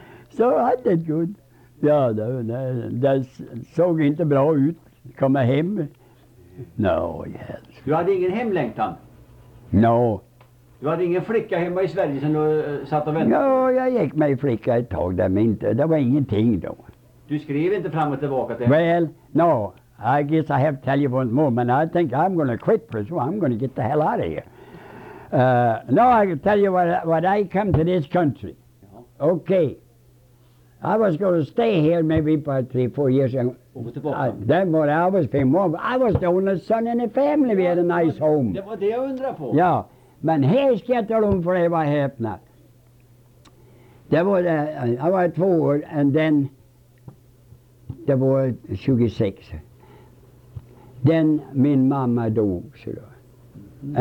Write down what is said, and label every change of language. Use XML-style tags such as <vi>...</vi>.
<en>So I did good.</en> <sv>Ja, det såg inte bra ut att komma hem.</sv> <en>No, yes.</en> <sv>Du hade ingen hemlängtan?</sv> <en>No.</en> <sv>Du hade ingen flicka hemma i Sverige sen du satt och väntade? Ja, jag gick med flicka ett tag där, men inte, det var ingenting då. Du skrev inte fram och tillbaka till?</sv> <en>Well, no. I guess I have to tell you once more, but I think I'm going to quit for so I'm going to get the hell out of here. No, I can tell you what I come to this country. Okay. I was going to stay here maybe for 3-4 years.</en> <sv>Och tillbaka?</sv> <en>Then I was being more. I was the only son in the family. We had a nice home.</en> <sv>Det var det jag undrar på. Ja. Men här ska jag tala om för dig vad häpnat. Det var det, jag var 2 år och</sv> <en>then</en> <sv>det var 26. Den min mamma dog så då.</sv>